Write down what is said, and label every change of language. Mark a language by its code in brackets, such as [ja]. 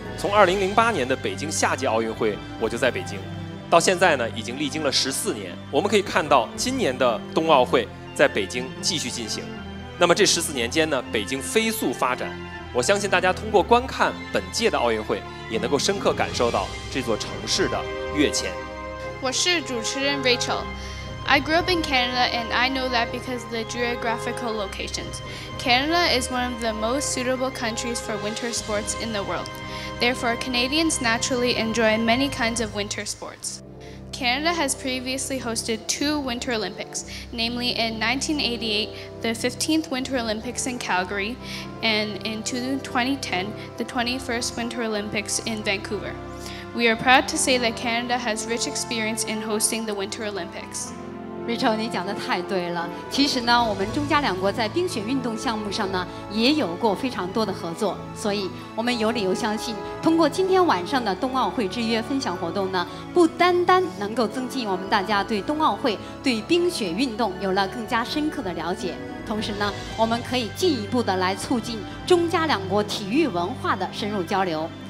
[zh] 从2008年的北京夏季奥运会，我就在北京，到现在呢，已经历经了14年。我们可以看到，今年的冬奥会在北京继续进行。那么这14年间呢，北京飞速发展。我相信大家通过观看本届的奥运会，也能够深刻感受到这座城市的跃迁。我是主持人 Rachel。 [en] I grew up in Canada and I know that because of the geographical locations. Canada is one of the most suitable countries for winter sports in the world. Therefore, Canadians naturally enjoy many kinds of winter sports. Canada has previously hosted 2 Winter Olympics, namely in 1988, the 15th Winter Olympics in Calgary, and in 2010, the 21st Winter Olympics in Vancouver. We are proud to say that Canada has rich experience in hosting the Winter Olympics. [zh] Rachel， 你讲得太对了。其实呢，我们中加两国在冰雪运动项目上呢，也有过非常多的合作。所以，我们有理由相信，通过今天晚上的冬奥会之约分享活动呢，不单单能够增进我们大家对冬奥会、对冰雪运动有了更加深刻的了解，同时呢，我们可以进一步的来促进中加两国体育文化的深入交流。